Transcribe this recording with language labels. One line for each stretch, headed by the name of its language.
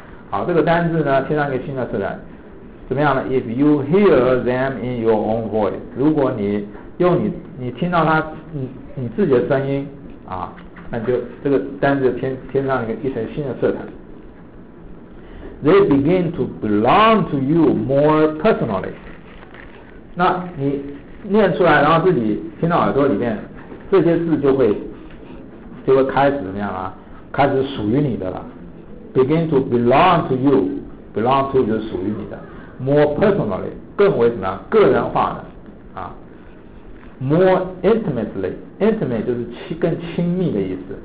Chinese: 好，这个单字呢，添上一个新的色彩。怎么样呢？
English: If you hear them in your own voice.
Chinese: 如果你用你听到它 你自己的声音啊，那就这个单字 添上一层新的色彩。
English: They begin to belong to you more personally.
Chinese: 那你念出来，然后自己听到耳朵里面，这些字就会开始怎么样啊？开始属于你的了。
English: Begin to belong to you, belong to
Chinese: 就是属于你的。
English: More personally,
Chinese: 更为什么个人化的啊 ？
English: More intimately, intimate
Chinese: 就是更亲密的意思。